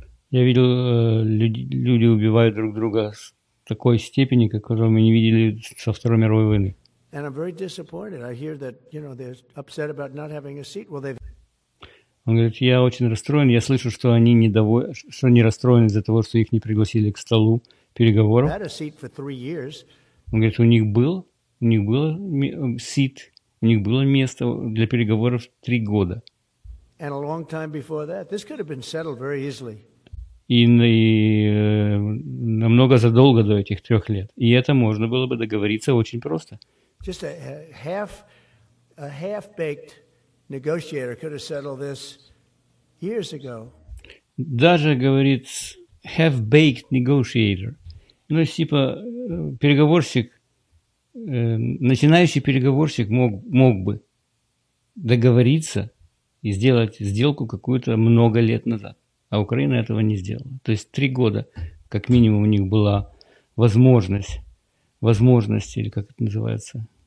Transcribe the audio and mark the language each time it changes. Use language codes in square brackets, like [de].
[ru] Я видел, люди убивают друг друга в такой степени, которую мы не видели со Второй мировой войны. [en] And I'm very disappointed. I hear that, you know, they're upset about not having a seat. Well, they've... [ru] Он говорит, я очень расстроен. Я слышу, что они не расстроены из-за того, что их не пригласили к столу переговоров. [en] They had a seat for 3 years. [ru] Он говорит, у них было seat, у них было место для переговоров 3 года. [en] And a long time before that, this could have been settled very easily. [ru] И намного задолго до этих 3 лет. И это можно было бы договориться очень просто. [en] Just a half-baked negotiator could have settled this years ago. [ru] Даже, говорит, [en] half-baked negotiator. [ru] Ну, типа, переговорщик, начинающий переговорщик мог бы договориться и сделать сделку какую-то много лет назад. А Украина этого не сделала. То есть 3 года, как минимум, у них была возможность, или как это называется...